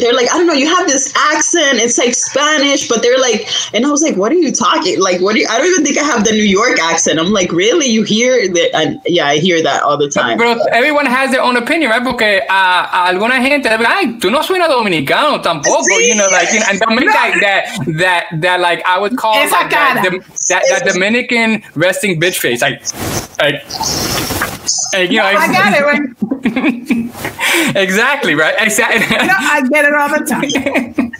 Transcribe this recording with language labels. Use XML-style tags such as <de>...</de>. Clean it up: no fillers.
<en>They're like, I don't know, you have this accent. It's like Spanish, but they're like, and I was like, what are you talking? Like, what do you, I don't even think I have the New York accent. I'm like, really? You hear that? I hear that all the time. But everyone has their own opinion, right?</en> <es>Porque alguna gente, like, ay, tú no suena dominicano tampoco.</es> <en>See? You know, like, you know, and Dominican, no. that, like, I would call like, that Dominican resting bitch face. Like, you know, no, I got it, right? Exactly, right? Exactly. No, I get it all the time.</en>